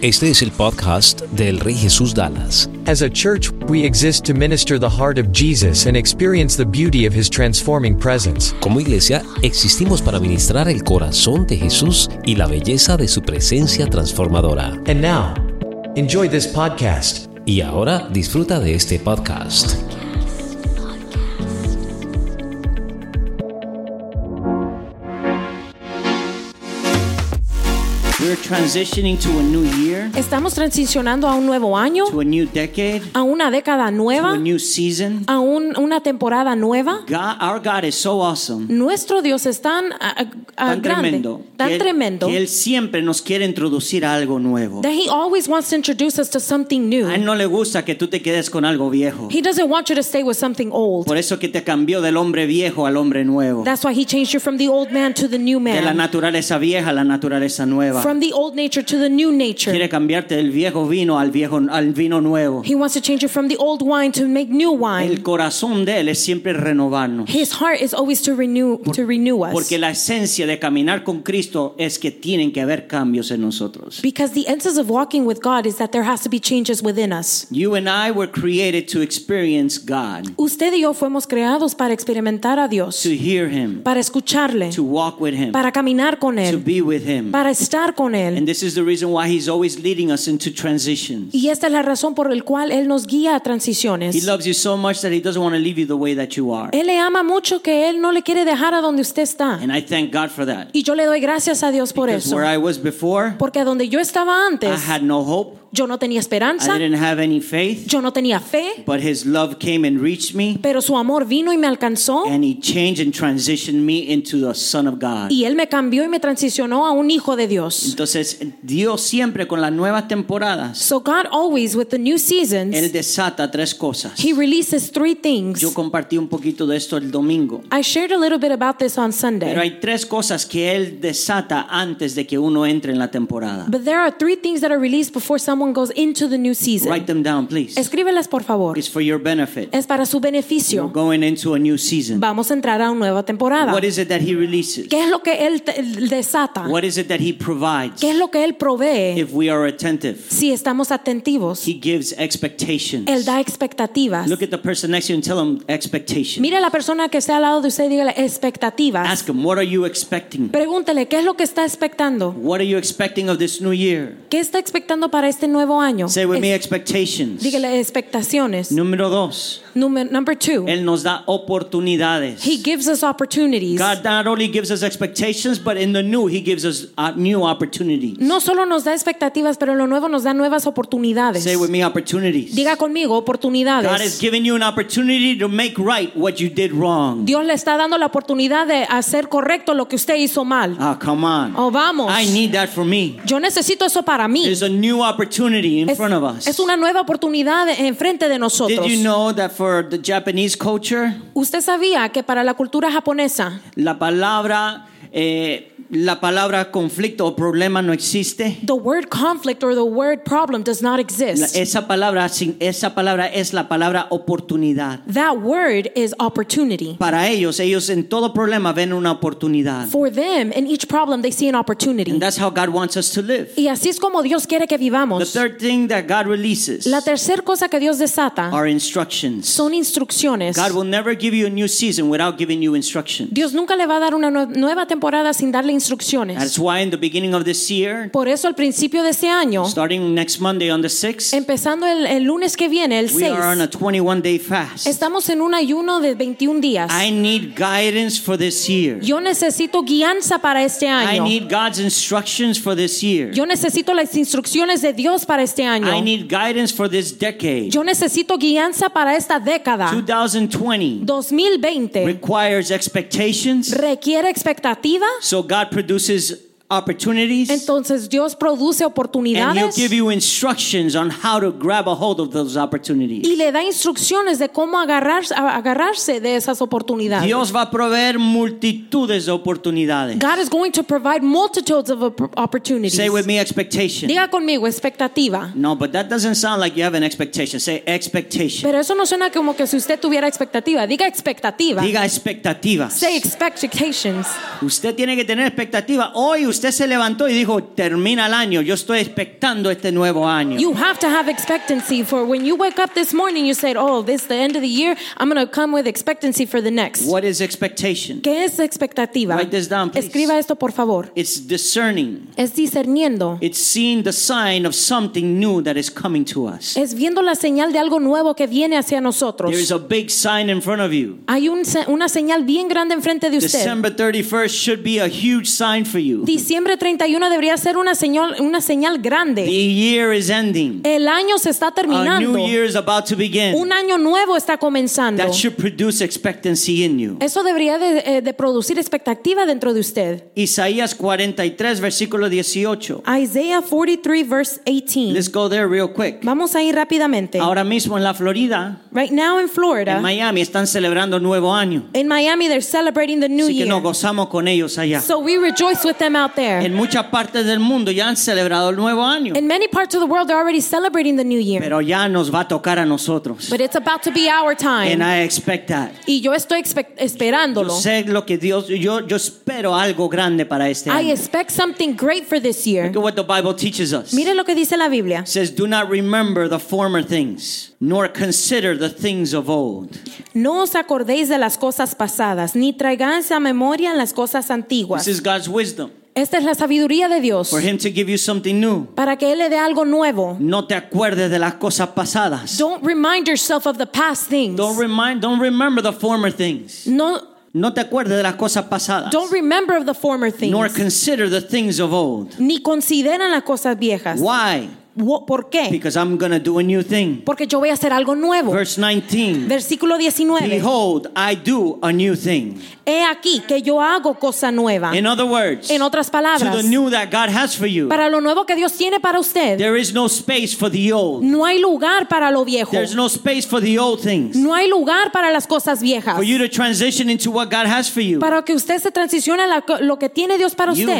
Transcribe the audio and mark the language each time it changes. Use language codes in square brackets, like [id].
[es] Este es el podcast del Rey Jesús Dallas. [en] As a church, we exist to minister the heart of Jesus and experience the beauty of His transforming presence. [es] Como iglesia, existimos para ministrar el corazón de Jesús y la belleza de su presencia transformadora. [en] And now, enjoy this podcast. [es] Y ahora, disfruta de este podcast. [en] Transitioning to a new year. [es] Estamos transicionando a un nuevo año. [en] To a new decade. [es] A una década nueva. [en] To a new season. [es] A una temporada nueva. [en] God, our God is so awesome. [es] Nuestro Dios es tan tremendo. Tan tremendo. Que él siempre nos quiere introducir algo nuevo. [en] That he always wants to introduce us to something new. [es] A él no le gusta que tú te quedes con algo viejo. [en] He doesn't want you to stay with something old. [es] Por eso que te cambió del hombre viejo al hombre nuevo. [en] That's why he changed you from the old man to the new man. [es] De la naturaleza vieja a la naturaleza nueva. [en] From the old nature to the new nature. [es] Quiere cambiarte del viejo vino al vino nuevo. [en] He wants to change you from the old wine to make new wine. [es] El corazón de él es siempre renovarnos. [en] His heart is always to renew us. [es] Porque la esencia de caminar con Cristo es que tienen que haber cambios en nosotros. [en] Because the essence of walking with God is that there has to be changes within us. You and I were created to experience God. [es] Usted y yo fuimos creados para experimentar a Dios. [en] To hear Him. [es] Para escucharle. [en] To walk with Him. [es] Para caminar con él. [en] To be with Him. [es] Para estar con él. [en] And this is the reason why he's always leading us into transitions. [es] Y esta es la razón por el cual él nos guía a transiciones. [en] He loves you so much that he doesn't want to leave you the way that you are. [es] Él le ama mucho que él no le quiere dejar a donde usted está. [en] And I thank God for that. [es] Y yo le doy gracias a Dios por eso. [en] Where I was before, [es] porque donde yo estaba antes, [en] I had no hope. [es] Yo no tenía esperanza. [en] I didn't have any faith. [es] Yo no tenía fe. [en] But his love came and reached me. [es] Pero su amor vino y me alcanzó. [en] And he changed and transitioned me into the Son of God. [es] Y él me cambió y me transicionó a un hijo de Dios. Entonces, Dios siempre con las nuevas temporadas. [en] So God always with the new seasons. [es] Él desata tres cosas. [en] He releases three things. [es] Yo compartí un poquito de esto el domingo. [en] I shared a little bit about this on Sunday. [es] Pero hay tres cosas que él desata antes de que uno entre en la temporada. [en] But there are three things that are released before someone goes into the new season. Write them down, please. [es] Escríbelas, por favor. [en] It's for your benefit. [es] Es para su beneficio. [en] You're going into a new season. [es] Vamos a entrar a una nueva temporada. [en] What is it that he releases? [es] ¿Qué es lo que él desata? [en] What is it that he provides? [es] ¿Qué es lo que él provee? [en] If we are attentive. [es] Si estamos atentivos. [en] He gives expectations. [es] Él da expectativas. [en] Look at the person next to you and tell them expectations. [es] Mira a la persona que está al lado de usted y dígale expectativas. [en] Ask him, what are you expecting? [es] Pregúntele, ¿qué es lo que está expectando? [en] What are you expecting of this new year? [es] ¿Qué está expectando para este nuevo año? [en] Say with me expectations. [es] Dígale expectaciones. Número dos. [en] Number two. [es] Él nos da oportunidades. [en] He gives us opportunities. God not only gives us expectations, but in the new, he gives us new opportunities. [es] No solo nos da expectativas, pero en lo nuevo nos da nuevas oportunidades. [en] Say with me opportunities. [es] Diga conmigo oportunidades. [en] God has given you an opportunity to make right what you did wrong. [es] Dios le está dando la oportunidad de hacer correcto lo que usted hizo mal. [en] Ah, come on. [es] Oh, vamos. [en] I need that for me. [es] Yo necesito eso para mí. [en] There's a new opportunity in front of us. [es] Es una nueva oportunidad en frente de nosotros. [en] Did you know that for the Japanese culture? [es] ¿Usted sabía que para la cultura japonesa? La palabra conflicto o problema no existe. [en] The word conflict or the word problem does not exist. [es] Esa palabra es la palabra oportunidad. [en] That word is opportunity. [es] Para ellos en todo problema ven una oportunidad. [en] For them, in each problem they see an opportunity. And that's how God wants us to live. [es] Y así es como Dios quiere que vivamos. [en] The third thing that God releases. [es] La tercera cosa que Dios desata. [en] Are instructions. [es] Son instrucciones. [en] God will never give you a new season without giving you instructions. [es] Dios nunca le va a dar una nueva temporada sin darle instrucciones. [en] That's why in the beginning of this year, [es] por eso al principio de este año, [en] starting next Monday on the 6th, [es] empezando el lunes que viene, el 6th, [en] we are on a 21-day fast. [es] Estamos en un ayuno de 21 días. [en] I need guidance for this year. [es] Yo necesito guianza para este año. [en] I need God's instructions for this year. [es] Yo necesito las instrucciones de Dios para este año. [en] I need guidance for this decade. [es] Yo necesito guianza para esta década. [en] 2020 requires expectations. [es] Requiere expectativa. [en] So God produces opportunities. [es] Entonces Dios produce oportunidades. [en] And he'll give you instructions on how to grab a hold of those opportunities. [es] Y le da instrucciones de cómo agarrarse de esas oportunidades. Dios va a proveer multitudes de oportunidades. [en] God is going to provide multitudes of opportunities. Say with me, expectation. [es] Diga conmigo, expectativa. [en] No, but that doesn't sound like you have an expectation. Say expectation. [es] Pero eso no suena como que si usted tuviera expectativa. Diga expectativa. Diga expectativas. [en] Say expectations. [es] Usted tiene que tener expectativa. Hoy usted se levantó y dijo, termina el año, yo estoy expectando este nuevo año. [en] You have to have expectancy for when you wake up this morning, you said, oh, this is the end of the year, I'm going to come with expectancy for the next. What is expectation? [es] ¿Qué es expectativa? [en] Write this down, please. [es] Escriba esto, por favor. [en] It's discerning. [es] Es discerniendo. [en] It's seeing the sign of something new that is coming to us. [es] Es viendo la señal de algo nuevo que viene hacia nosotros. [en] There is a big sign in front of you. [es] Hay una señal bien grande enfrente de usted. [en] December 31st should be a huge sign for you. [es] Diciembre 31 debería ser una señal grande. [en] The year is ending. [es] El año se está terminando. [en] A new year is about to begin. [es] Un año nuevo está comenzando. [en] That should produce expectancy in you. [es] Eso debería de producir expectativa dentro de usted. Isaías 43 versículo 18. [en] Isaiah 43 verse 18. Let's go there real quick. [es] Vamos a ir rápidamente. Ahora mismo en la Florida. [en] Right now in Florida. [es] En Miami están celebrando nuevo año. [en] In Miami they're celebrating the new year. [es] Así que nos gozamos con ellos allá. [en] So we rejoice with them out there. [es] En muchas partes del mundo ya han celebrado el nuevo año. [en] In many parts of the world they're already celebrating the new year. [es] Pero ya nos va a tocar a nosotros. [en] But it's about to be our time. And I expect that. [es] Y yo estoy esperándolo. Yo sé lo que Dios, yo espero algo grande para este año. [en] I expect something great for this year. Look at what the Bible teaches us. [es] Mire lo que dice la Biblia. [en] It says, do not remember the former things, nor consider the things of old. [es] No os acordéis de las cosas pasadas, ni traigáis a memoria las cosas antiguas. [en] This is God's wisdom. [es] Esta es la sabiduría de Dios. [en] For him to give you something new. [es] Para que él le dé algo nuevo. No te acuerdes de las cosas pasadas. [en] Don't remind yourself of the past things. Don't remember the former things. [es] No te acuerdes de las cosas pasadas. [en] Don't remember of the former things. Nor consider the things of old. [es] Ni consideran las cosas viejas. [en] Why? [es] ¿Por qué? [en] Because I'm going to do a new thing. [es] Porque yo voy a hacer algo nuevo. [en] Verse 19. [es] Versículo 19. [en] Behold, I do a new thing. [es] He aquí que yo hago cosa nueva. [en] In other words, [es] en otras palabras, [en] to the new that God has for you. [es] Para lo nuevo que Dios tiene para usted. [en] There is no space for the old. [es] No hay lugar para lo viejo. [en] There's no space for the old things. [es] No hay lugar para las cosas viejas. [en] For you to transition into what God has for you. [es] Para que usted se transicione a lo que tiene Dios para usted.